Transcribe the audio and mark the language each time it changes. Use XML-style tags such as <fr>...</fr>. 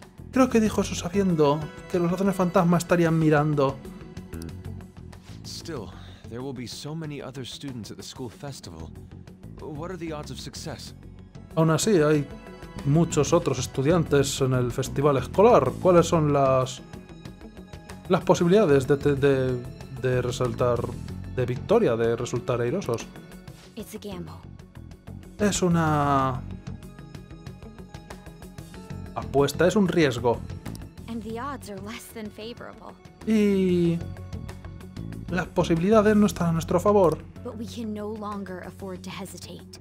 <es>Creo que dijo eso sabiendo que los ladrones fantasma estarían mirando.</es> <en>Still, there will be so many other students at the school festival. What are the odds of success?</en> <es>Aún así, hay muchos otros estudiantes en el festival escolar. ¿Cuáles son las posibilidades de resaltar de victoria, de resultar airosos?</es> <en>It's a gamble.</en> <es>Es una apuesta, es un riesgo.</es> <en>And the odds are less than favorable.</en> <es>Y las posibilidades no están a nuestro favor.</es> <en>But we can no longer afford to hesitate.</en>